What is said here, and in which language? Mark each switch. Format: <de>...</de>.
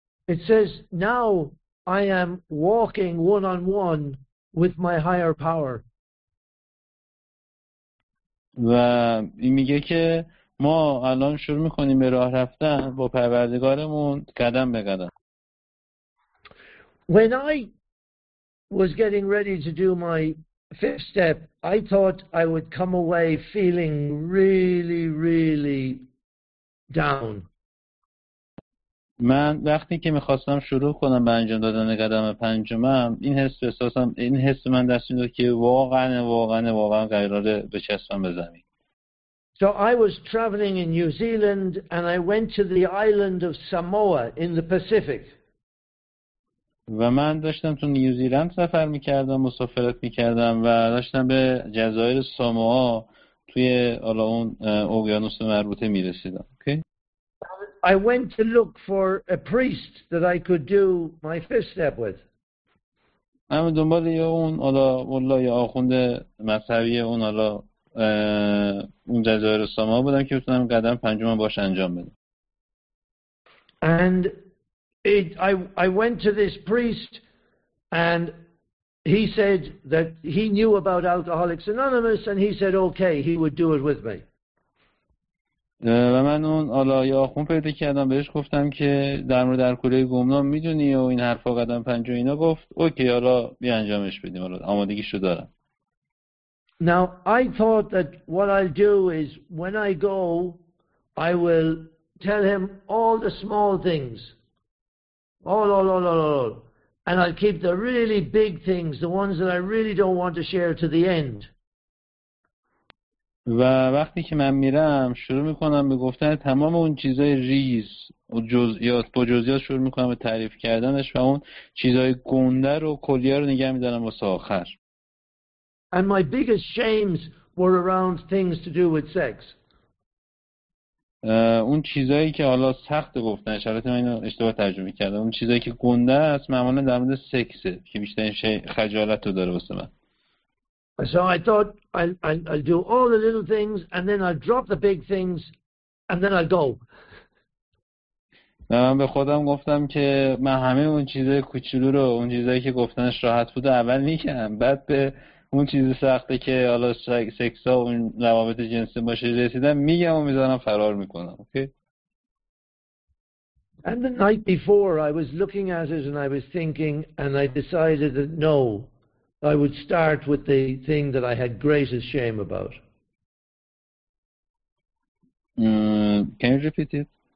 <en>It says now I am walking one on one with my higher power.</en> <fa>و این میگه که ما الان شروع میکنیم به راه رفتن با پروردگارمون قدم به قدم.</fa> <en>When I was getting ready to do my fifth step, I thought I would come away feeling really, really down.</en> <fa>من وقتی که میخواستم شروع کنم به انجام دادن قدم پنجمم، این حس احساسم، این حس من دست میداد که واقعا قراره بچسبم به زمین.</fa> <en>So I was traveling in New Zealand and I went to the island of Samoa in the Pacific.</en> <fa>و من داشتم تو نیوزیلند سفر میکردم، مسافرت میکردم و داشتم به جزایر ساموا توی اون اقیانوس مربوطه میرسیدم.</fa> <en>I went to look for a priest that I could do my fifth step with.</en> <fa>من دنبال اون حالا والله یا آخوند مذهبی اون حالا اون جزایر ساموا بودم که بتونم قدم پنجم باش انجام بدم.</fa> <en>And I went to this priest and he said that he knew about Alcoholics Anonymous and he said okay, he would do it with me.</en> <fa>و من اون آلا یا آخون پیدا کردم، بهش گفتم که در مورد الکلی گمنام میدونی و این حرفا قدم پنج و اینا. گفت اوکی، حالا بیا انجامش بدیم، حالا آمادگیشو دارم.</fa> <en>Now I thought that what I'll do is when I go I will tell him all the small things, all, and I'll keep the really big things, the ones that I really don't want to share, to the end.</en> <fa>و وقتی که من میرم شروع میکنم به گفتن تمام اون چیزای ریز و جزئیات، با جزئیات شروع میکنم به تعریف کردنش و اون چیزای گنده رو کلیه رو نگه میدارم واسه آخر.</fa> <en>And my biggest shames were around things to do with sex.</en> <fa>اون چیزایی که حالا سخت گفتن، شرط من اینو اشتباه ترجمه کردم، اون چیزایی که گنده است معمولا در مورد سکسه که بیشترین شی خجالت رو داره واسه من.</fa> <en>So I thought I'll do all the little things and then I'll drop the big things and then I'll go.</en> <fa>من به خودم گفتم که من همه اون چیزای کوچولو رو، اون چیزایی که گفتنش راحت بود، اول میگم، بعد به اون چیز سخته که حالا سکس ها اون روابط جنسی باشه رسیدم میگم و میذارم فرار میکنم.</fa> <en>Okay. And the night before I was looking at it and I was thinking and I decided that no, I would start with the thing that I had greatest shame about. Can you repeat it?</en>